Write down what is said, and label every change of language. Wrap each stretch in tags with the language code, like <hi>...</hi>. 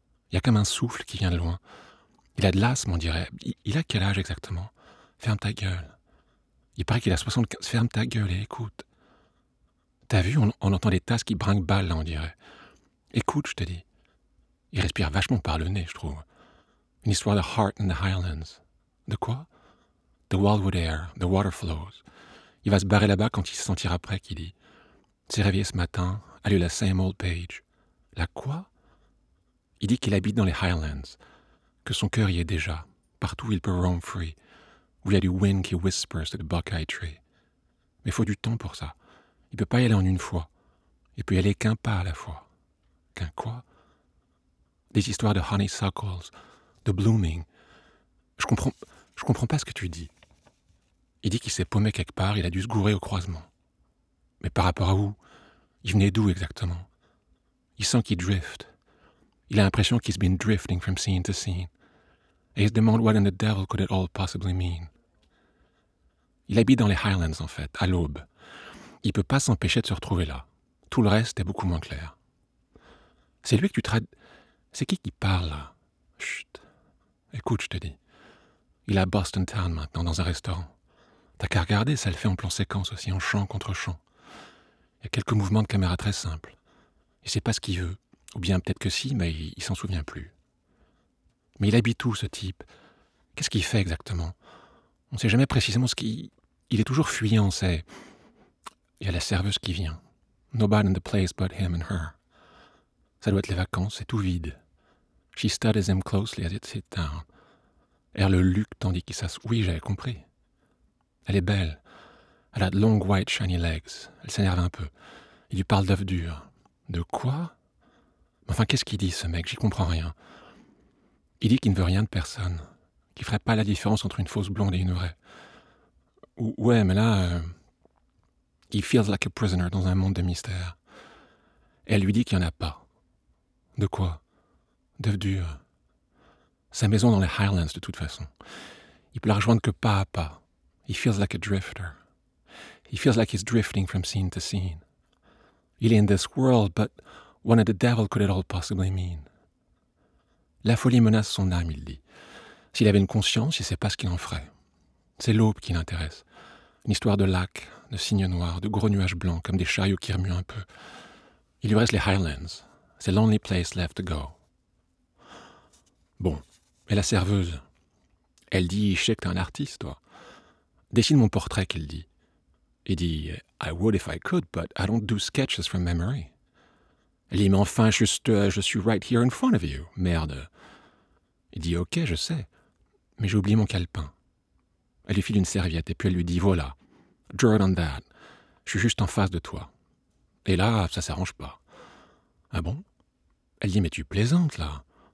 <fr>Il y a comme un souffle qui vient de loin. Il a de l'asthme, on dirait. Il a quel âge exactement? Ferme ta gueule. Il paraît qu'il a 75. Ferme ta gueule et écoute. T'as vu, on entend des tasses qui brinquent-ballent, on dirait. Écoute, je te dis. Il respire vachement par le nez, je trouve. Une histoire de</fr> <en>heart in the highlands.</en> <fr>De quoi?</fr> <en>The wildwood air, the water flows.</en> <fr>Il va se barrer là-bas quand il se sentira prêt, qu'il dit. S'est réveillé ce matin, a lu la</fr> <en>same old page.</en> <fr>La quoi? Il dit qu'il habite dans les highlands. Que son cœur y est déjà, partout où il peut</fr> <en>roam free,</en> <fr>où il y a du wind qui</fr> <en>whispers to the buckeye tree.</en> <fr>Mais il faut du temps pour ça. Il ne peut pas y aller en une fois. Il peut y aller qu'un pas à la fois. Qu'un quoi? Des histoires de honeysuckles, de blooming. Je comprends pas ce que tu dis. Il dit qu'il s'est paumé quelque part, il a dû se gourer au croisement. Mais par rapport à où? Il venait d'où exactement? Il sent qu'il drift. Il a l'impression qu'il's</fr> <en>been drifting from scene to scene.</en> <fr>Et il se demande</fr> <en>what in the devil could it all possibly mean.</en> <fr>Il habite dans les Highlands, en fait, à l'aube. Il peut pas s'empêcher de se retrouver là. Tout le reste est beaucoup moins clair. C'est lui que tu traites... C'est qui parle, là? Chut. Écoute, je te dis. Il est à Boston Town, maintenant, dans un restaurant. T'as qu'à regarder, ça le fait en plan séquence aussi, en champ contre champ. Il y a quelques mouvements de caméra très simples. Il sait pas ce qu'il veut. Ou bien peut-être que si, mais il s'en souvient plus. Mais il habite où, ce type? Qu'est-ce qu'il fait exactement? On ne sait jamais précisément ce qu'il... Il est toujours fuyant, c'est... Il y a la serveuse qui vient.</fr> <en>Nobody in the place but him and her.</en> <fr>Ça doit être les vacances, c'est tout vide.</fr> <en>She studies him closely as it sits down.</en> <fr>Elle le luque tandis qu'il s'assoit. Oui, j'avais compris. Elle est belle. Elle a de longues</fr> <en>white shiny legs.</en> <fr>Elle s'énerve un peu. Il lui parle d'œufs durs. De quoi? Enfin, qu'est-ce qu'il dit, ce mec? J'y comprends rien. Il dit qu'il ne veut rien de personne. Qu'il ferait pas la différence entre une fausse blonde et une vraie. Ouais, mais là...</fr> <en>He feels like a prisoner</en> <fr>dans un monde de mystère. Elle lui dit qu'il n'y en a pas. De quoi? D'œufs durs. Sa maison dans les Highlands, de toute façon. Il peut la rejoindre que pas à pas.</fr> <en>He feels like a drifter. He feels like he's drifting from scene to scene.</en> <fr>Il est</fr> <en>in this world, but... What in the devil could it all possibly mean?</en> <fr>La folie menace son âme, il dit. S'il avait une conscience, il ne sait pas ce qu'il en ferait. C'est l'aube qui l'intéresse. Une histoire de lac, de cygnes noirs, de gros nuages blancs, comme des chariots qui remuent un peu. Il lui reste les Highlands. C'est l'</fr> <en>only place left to go.</en> <fr>Bon, et la serveuse? Elle dit, je sais que t'es un artiste, toi. Dessine mon portrait, qu'il dit. Il dit,</fr> <en>I would if I could, but I don't do sketches from memory.</en> <fr>Elle dit, mais enfin, je suis</fr> <en>right here in front of you,</en> <fr>merde. Il dit, ok, je sais, mais j'ai oublié mon calepin. Elle lui file une serviette et puis elle lui dit, voilà,</fr> <en>draw it on that,</en> <fr>je suis juste en face de toi. Et là, ça s'arrange pas. Ah bon? Elle dit, mais tu plaisantes, là.</fr>